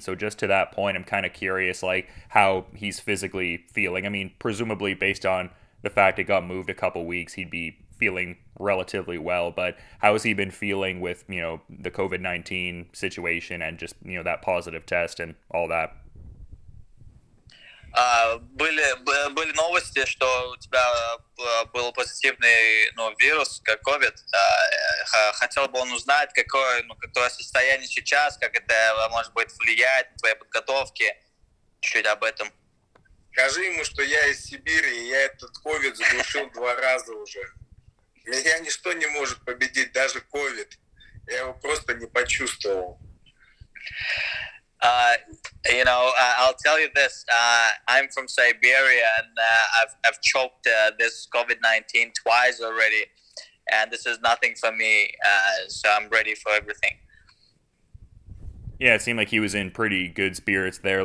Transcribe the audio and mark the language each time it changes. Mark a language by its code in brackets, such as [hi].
[en] So just to that point, I'm kind of curious, like, how he's physically feeling. I mean, presumably based on the fact it got moved a couple weeks, he'd be feeling relatively well, but how has he been feeling with, you know, the COVID-19 situation and just, you know, that positive test and all that? [ru] Были новости, что у тебя был позитивный, ну, вирус, как COVID. Хотел бы он узнать, какое, ну, какое состояние сейчас, как это, может быть, влияет на твои подготовки. Чуть об этом. Скажи ему, что я из Сибири, и я этот COVID задушил два раза уже. Меня ничто не может победить, даже COVID. Я его просто не почувствовал. [en] You know, I'll tell you this. I'm from Siberia, and I've choked this COVID-19 twice already, and this is nothing for me. So I'm ready for everything. Yeah, it seemed like he was in pretty good spirits there.